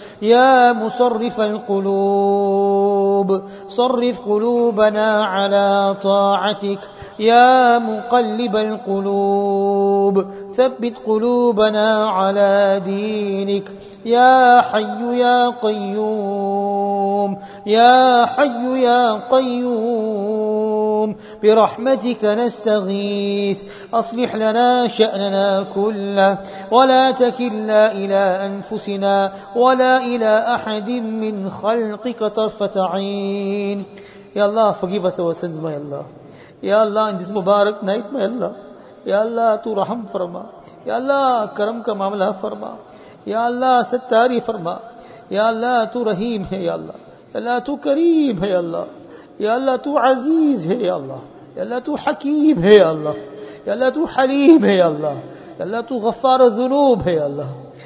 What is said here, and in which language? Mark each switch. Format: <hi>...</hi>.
<ar>يا مصرف القلوب صرف قلوبنا على طاعتك، يا مقلب القلوب ثبت قلوبنا على دينك، يا حي يا قيوم يا حي يا قيوم برحمتك نستغيث. أصلح لنا شأننا كله، ولا تكلنا إلى أنفسنا ولا إلى أحد من خلقك طرفة عين.</ar> <en>يا الله forgive us our sins my Allah. يا الله in this مبارك night my Allah.</en> <ur>يا الله تو رحم فرما. يا الله کرم کا معاملہ فرما. یا اللہ ستاری فرما. یا اللہ تو رحیم ہے یا اللہ. یا اللہ تو کریم ہے یا اللہ. یا اللہ تو عزیز ہے یا اللہ. یا اللہ تو حکیم ہے یا اللہ. یا اللہ تو حلیم ہے یا اللہ. یا اللہ تو غفار الذنوب ہے یا اللہ.</ur>